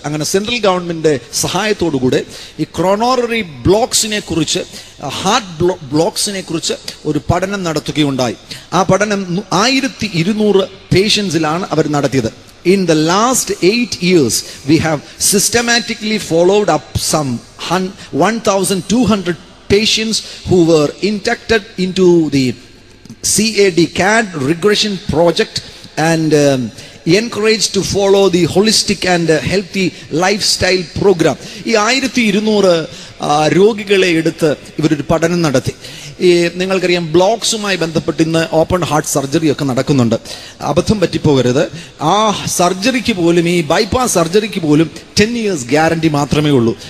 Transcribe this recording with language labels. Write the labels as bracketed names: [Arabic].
[Malayalam] അങ്ങനെ സെൻട്രൽ ഗവൺമെൻറ്റിൻ്റെ സഹായത്തോടുകൂടെ ഈ ക്രോണോററി ബ്ലോക്സിനെ കുറിച്ച്, ഹാർട്ട് ബ്ലോക്സിനെ കുറിച്ച് ഒരു പഠനം നടത്തുകയുണ്ടായി. ആ പഠനം 1200 പേഷ്യൻസിലാണ് അവർ നടത്തിയത്. [English] In the last 8 years, we have systematically followed up some 1,200 patients who were inducted into the CAD, CAD regression project, and encouraged to follow the holistic and healthy lifestyle program. [Malayalam] ഈ 1200 രോഗികളെ എടുത്ത് ഇവരൊരു പഠനം നടത്തി. ഈ നിങ്ങൾക്കറിയാം ബ്ലോക്സുമായി ബന്ധപ്പെട്ട് ഇന്ന് ഓപ്പൺ ഹാർട്ട് സർജറിയൊക്കെ നടക്കുന്നുണ്ട്. അബദ്ധം പറ്റിപ്പോകരുത്. ആ സർജറിക്ക് പോലും, ഈ ബൈപ്പാസ് സർജറിക്ക് പോലും 10 years ഗ്യാരണ്ടി മാത്രമേ ഉള്ളൂ.